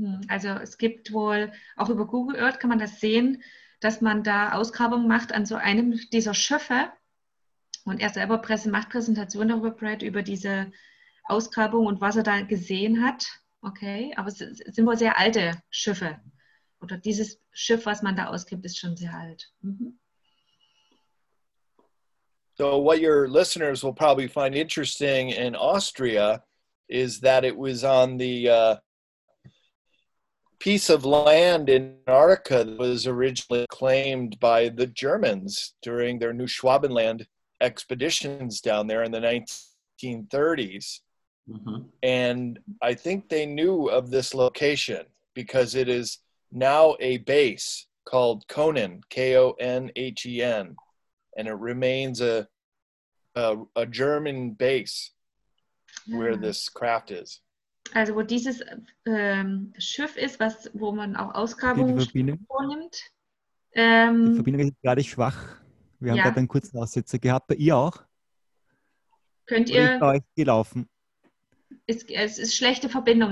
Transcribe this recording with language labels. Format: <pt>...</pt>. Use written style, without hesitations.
<de>Also es gibt wohl, auch über Google Earth kann man das sehen, dass man da Ausgrabungen macht an so einem dieser Schiffe. Und er selber macht Präsentationen darüber, Brad, über diese Ausgrabung und was er da gesehen hat. Okay, aber es sind wohl sehr alte Schiffe. Oder dieses Schiff, was man da ausgibt, ist schon sehr alt.</de> <en>So what your listeners will probably find interesting in Austria is that it was on the piece of land in Antarctica that was originally claimed by the Germans during their New Schwabenland expeditions down there in the 1930s. And I think they knew of this location because it is now a base called Konen, K-O-N-H-E-N, and it remains a German base where this craft is.</en> <de>Also wo dieses Schiff ist, was wo man auch Ausgrabungen vornimmt. Die Verbindung ist gerade schwach. Wir haben gerade einen kurzen Aussetzer gehabt. Ihr auch? Könnt ihr? Bei euch gelaufen. Es ist schlechte Verbindung.</de>